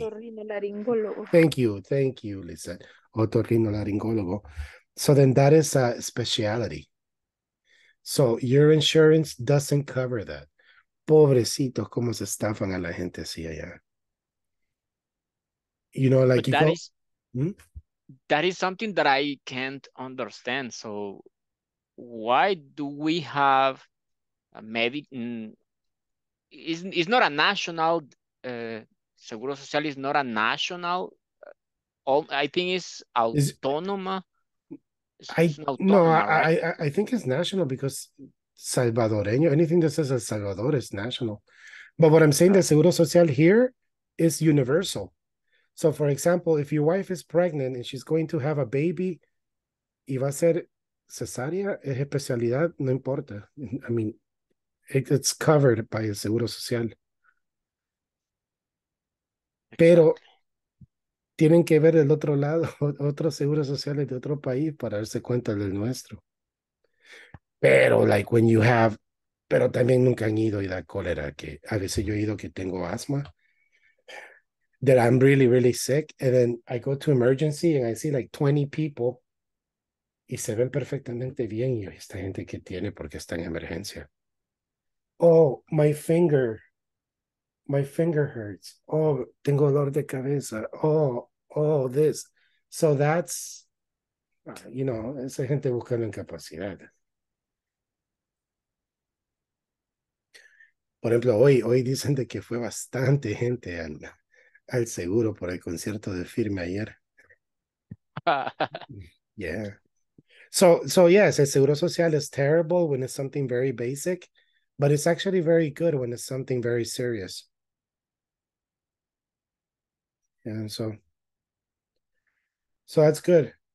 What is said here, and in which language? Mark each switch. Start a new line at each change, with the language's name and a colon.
Spanish: Otorrinolaringólogo.
English: Thank you, Lizette. Otorrinolaringólogo. So then that is a speciality. So your insurance doesn't cover that.
Spanish: Pobrecitos, cómo se estafan a la gente así allá.
English: You know, like, you that go... Is, that is something that I can't understand. So why do we have a medic... It's not a national... Seguro Social is not a national... I think it's autónoma. I think it's national because salvadoreño, anything that says El Salvador is national. But what I'm saying, the Seguro Social here is universal. So, for example, if your wife is pregnant and she's going to have a baby, y va a ser cesárea, es especialidad, no importa. I mean, it's covered by El Seguro Social.
Spanish: Pero... tienen que ver del otro lado, otros seguros sociales de otro país para darse cuenta del nuestro. Pero, like, when you have, pero también nunca han ido y da cólera, que a veces yo he ido que tengo asma.
English: that I'm really, really sick. And then I go to emergency and I see like 20 people.
Spanish: Y se ven perfectamente bien. Y esta gente que tiene porque está en emergencia.
English: Oh, my finger hurts.
Spanish: Oh, tengo dolor de cabeza. Oh, this.
English: So that's, you know, esa gente buscando incapacidad.
Spanish: Por ejemplo, hoy dicen de que fue bastante gente al seguro por el concierto de Firme ayer.
English: Yeah. So yes, el seguro social is terrible when it's something very basic, but it's actually very good when it's something very serious. And so that's good.